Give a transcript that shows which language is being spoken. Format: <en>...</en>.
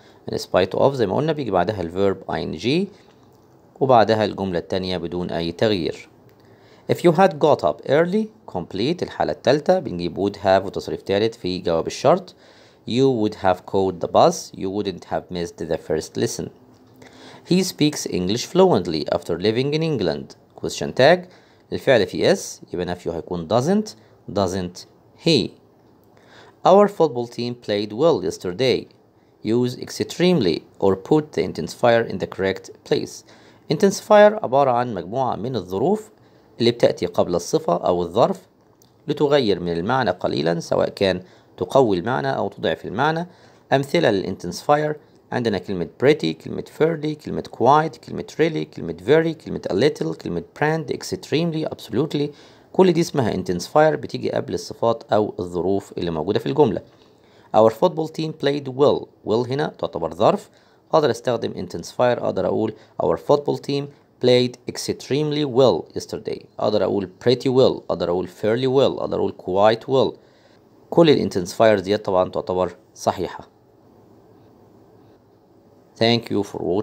<ar>In spite of زي ما قلنا بيجي بعدها الverb ing وبعدها الجملة التانية بدون أي تغيير.</ar> <en>If you had got up early, complete</en> <ar>الحالة التالتة بنجيب</ar> <en>would have</en> <ar>وتصريف تالت في جواب الشرط.</ar> <en>You would have caught the bus. You wouldn't have missed the first lesson. He speaks English fluently after living in England. Question tag.</en> <ar>الفعل في</ar> <en>S.</en> <ar>يبقى نفيه هيكون doesn't.</ar> <en>Doesn't he. Our football team played well yesterday. Use extremely or put the intensifier in the correct place.</en> <ar>Intensifier عبارة عن مجموعة من الظروف اللي بتأتي قبل الصفة أو الظرف لتغير من المعنى قليلا سواء كان تقوي المعنى أو تضعف المعنى. أمثلة للintensifier عندنا كلمة pretty, كلمة fairly, كلمة quite, كلمة really, كلمة very, كلمة a little, كلمة brand, extremely, absolutely. كل دي اسمها intensifier بتيجي قبل الصفات أو الظروف اللي موجودة في الجملة.</ar> <en>Our football team played well.</en> <ar>Well هنا تعتبر ظرف. أقدر استخدم intensifier. أقدر أقول</ar> <en>our football team played extremely well yesterday.</en> <ar>أقدر أقول pretty well. أقدر أقول fairly well. أقدر أقول quite well. كل الانتنسفاير دي طبعا تعتبر صحيحة.</ar> <en>Thank you for watching.</en>